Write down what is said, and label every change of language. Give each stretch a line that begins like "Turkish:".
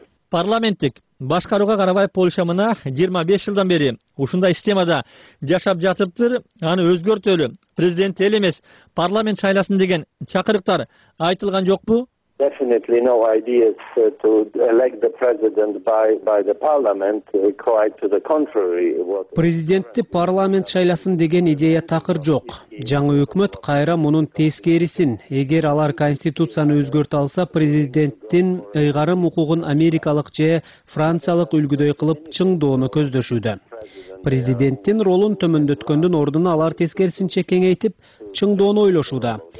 Kyrgyz: Парламенттик башкарууга карабай Польша мына 25 жылдан бери ушундай системада жашап жатыптыр. Аны өзгөртөлү, президент эл эмес парламент шайласын деген чакырыктар айтылган жокпу?
English: Definitely no ideas to elect the president by the parliament, quite to the contrary.
Kyrgyz: Президентти парламент шайласын деген идея такыр жок. Жаңы өкмөт кайра мунун тескерисин, эгер алар конституцияны өзгөртө алса, президенттин ыйгарым укугун америкалык же франциялык үлгүдөй кылып чыңдоону көздөшүүдө. президенттин ролун төмөндөткөндүн ордун алар тескерисинче кеңейтип чыңдоону ойлошууда.